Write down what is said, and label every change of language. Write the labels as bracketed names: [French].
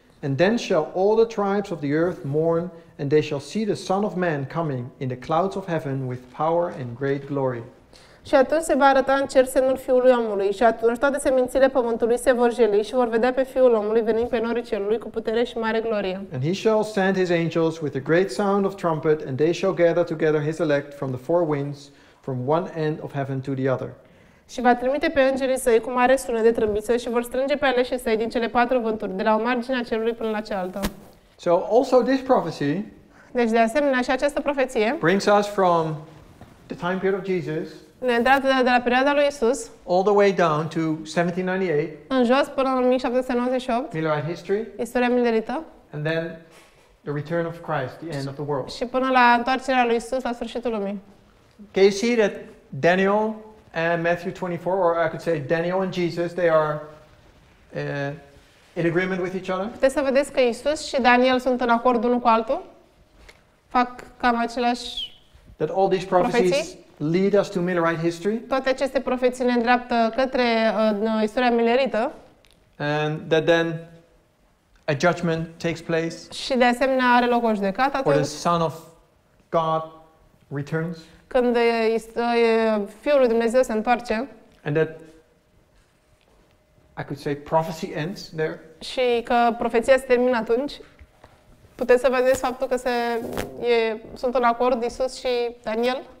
[English] And then shall all the tribes of the earth mourn, and they shall see the Son of Man coming in the clouds of heaven with power and great glory. [Romanian] Și atunci se va arăta în cer semnul Fiului Omului, și atunci toate semințile pământului se vor jeli și vor vedea pe Fiul Omului venind pe norii cerului cu putere și mare glorie. [English] And he shall send his angels with a great sound of trumpet, and they shall gather together his elect from the four winds, from one end of heaven to the other. [Romanian] Și va trimite pe îngerii săi cu mare sunet de trâmbiță și vor strânge pe aleșii săi din cele patru vânturi, de la o margine a cerului până la cealaltă. [English] So also this prophecy. [Romanian] Deci de asemenea și această profeție. [English] Brings us from the time period of Jesus. [Romanian] Ne îndreaptă de la perioada lui Isus. [English] All the way down to 1798. [Romanian] În jos până la 1798. [English] Millerite history. [Romanian] Istoria Millerită. [English] And then the return of Christ, the end of the world. [Romanian] Și până la întoarcerea lui Isus la sfârșitul lumii. [English] Can you see that Daniel and Matthew 24, or I could say Daniel and Jesus, they are in agreement with each other. [Romanian] Puteți să vedeți că Iisus și Daniel sunt în acord unul cu altul? Fac cam aceleași profeții? [English] That all these prophecies lead us to Millerite history. [Romanian] Toate aceste profeții ne îndreaptă către istoria Millerită. [English] And that then a judgment takes place. [Romanian] Și de asemenea are loc o judecată. [English] Or the Son of God returns. [Romanian] Când Fiul lui Dumnezeu se întoarce. [English] And that I could say prophecy ends there. [Romanian] Și că profeția se termină atunci. Puteți să vedeți faptul că sunt în acord Iisus și Daniel.